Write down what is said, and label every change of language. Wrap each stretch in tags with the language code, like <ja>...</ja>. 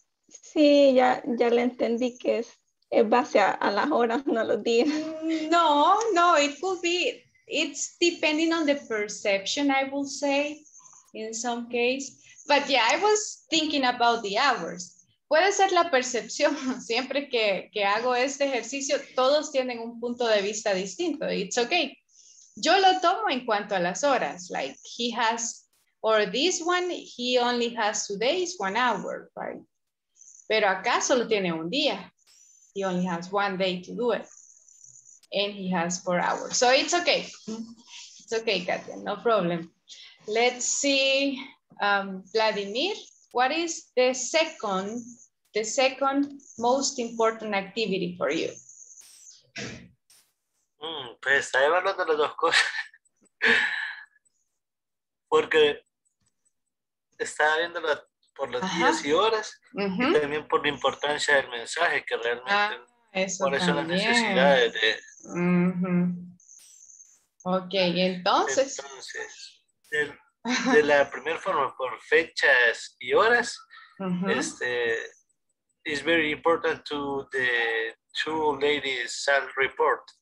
<es>Sí, ya le entendí que es en base a las horas, no los días.</es> <en>No, it could be. It's depending on the perception, I will say, in some case. But yeah, I was thinking about the hours.</en> <es>Puede ser la percepción. Siempre que hago este ejercicio, todos tienen un punto de vista distinto.</es> <en>It's okay.</en> <es>Yo lo tomo en cuanto a las horas,</es> <en>like he has, or this one, he only has 2 days, 1 hour, right?</en> <es>Pero acá solo tiene un día.</es> <en>He only has 1 day to do it. And he has 4 hours. So it's okay. It's okay, Katia, no problem. Let's see, Vladimir, what is the second most important activity for you?</en> <es>Pues está evaluando las dos cosas. Porque estaba viendo por los Ajá. días y horas, uh-huh. y también por la importancia del mensaje, que realmente eso las necesidades de. Uh-huh. Ok, entonces. Entonces, de la primera forma, por fechas y horas, uh-huh.</es> <en>It's very important to the 2 ladies' sales report.</en>